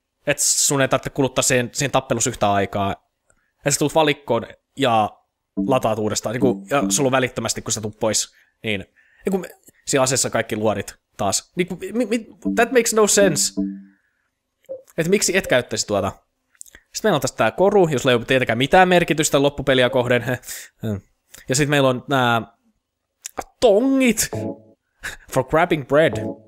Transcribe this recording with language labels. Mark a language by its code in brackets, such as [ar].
[fi] Että sun ei tarvitse kuluttaa siihen tappelussa yhtään aikaa. Että sä tulet valikkoon ja lataat uudestaan. Niin kun, ja sulla on välittömästi, kun sä tulet pois, niin kun siinä aseessa kaikki luodit taas. Niin kun, [en] that makes no sense. [fi] Että miksi et käyttäisi tuota? Sitten meillä on tässä tää koru, jos ei ole tietenkään mitään merkitystä loppupeliä kohden. Ja sitten meillä on nämä tongit [en] for grabbing bread.